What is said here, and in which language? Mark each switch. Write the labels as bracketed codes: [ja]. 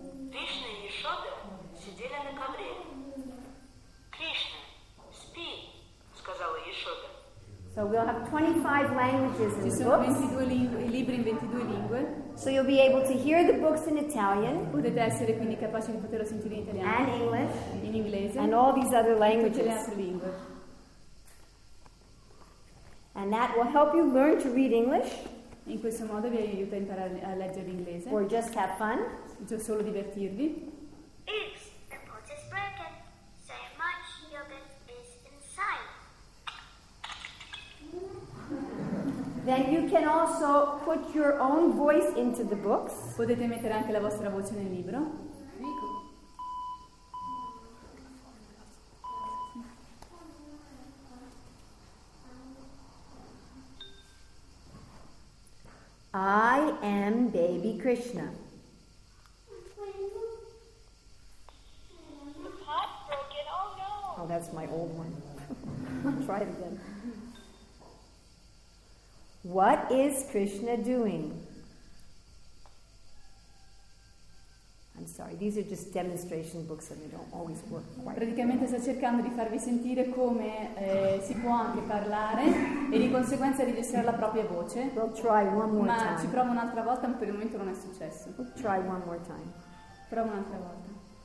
[ru] Krishna e Yashoda сидели на ковре. Krishna, спи, сказала Yashoda. [en] So we'll have 25 languages in the books. [it] 22 libri in 22 lingue. [en] So you'll be able to hear the books in Italian. [it] Potete essere quindi capaci di poterlo sentire in italiano. [en] And English. [it] In inglese. [en] And all these other languages. [it] Tutte le altre lingue. [en] And that will help you learn to read English. [it] In questo modo vi aiuta a imparare a leggere l'inglese. [en] Or just have fun. [it] Cioè solo divertirvi. [en] Oops, the pot is broken. So much yogurt is inside. Then you can also put your own voice into the books. Potete mettere anche la vostra voce nel libro. I am baby Krishna. The pot's broken. Oh no. Oh, that's my old one. I'll try it again. What is Krishna doing? I'm sorry, these are just demonstration books and they don't always work quite. [it] Praticamente sta cercando di farvi sentire come si può anche parlare e di conseguenza registrare la propria voce. [en] We'll try one more [it] ma [en] time. [it] Ci provo un'altra volta, ma per il momento non è successo. [en] We'll try one more time. [it] Provo un'altra volta.